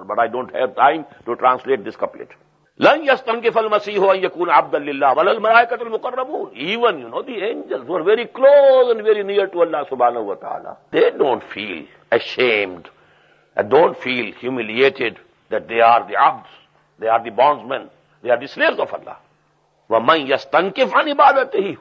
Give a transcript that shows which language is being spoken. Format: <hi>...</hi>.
<en>But I don't have time to translate this couplet.</en> <ar>لن يستنكف المسيح ان يكون عبدا لله ولا الملائكة المقربون.</ar> <en>Even you know the angels were very close and very near to Allah سبحانه وتعالى. They don't feel ashamed and don't feel humiliated that they are the abds. They are the bondsmen. They are the slaves of Allah.</en> <ar>وَمَنْ يَسْتَنْكِفْ عَنْ عِبَادَتِهِ.</ar>